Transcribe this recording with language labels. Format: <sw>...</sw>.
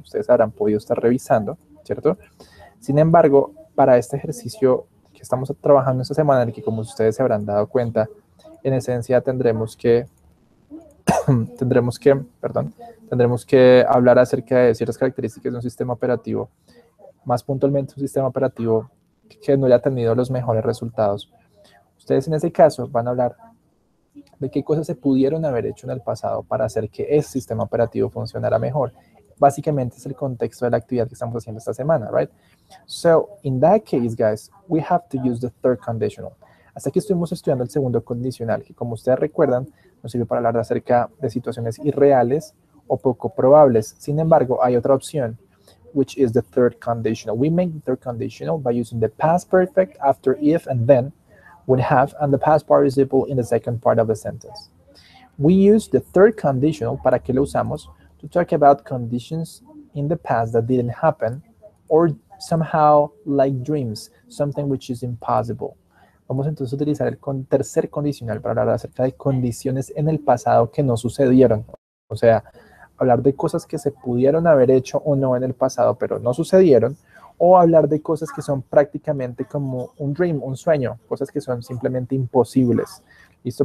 <es>Ustedes habrán podido estar revisando, ¿cierto? Sin embargo, para este ejercicio que estamos trabajando esta semana, en el que como ustedes se habrán dado cuenta, en esencia tendremos que, tendremos que hablar acerca de ciertas características de un sistema operativo, más puntualmente un sistema operativo que no haya tenido los mejores resultados. Ustedes en ese caso van a hablar de qué cosas se pudieron haber hecho en el pasado para hacer que ese sistema operativo funcionara mejor. Básicamente es el contexto de la actividad que estamos haciendo esta semana, right?</es> <en>So, in that case, guys, we have to use the third conditional.</en> <es>Hasta aquí estuvimos estudiando el segundo condicional, que como ustedes recuerdan, nos sirve para hablar acerca de situaciones irreales o poco probables. Sin embargo, hay otra opción, which is the third conditional.</es> <en>We make the third conditional by using the past perfect after if and then, would have, and the past participle in the second part of the sentence. We use the third conditional, ¿para qué lo usamos? To talk about conditions in the past that didn't happen, or somehow like dreams, something which is impossible.</en> <es>Vamos entonces a utilizar el tercer condicional para hablar acerca de condiciones en el pasado que no sucedieron. O sea, hablar de cosas que se pudieron haber hecho o no en el pasado, pero no sucedieron, o hablar de cosas que son prácticamente como un dream, un sueño, cosas que son simplemente imposibles, ¿listo?</es>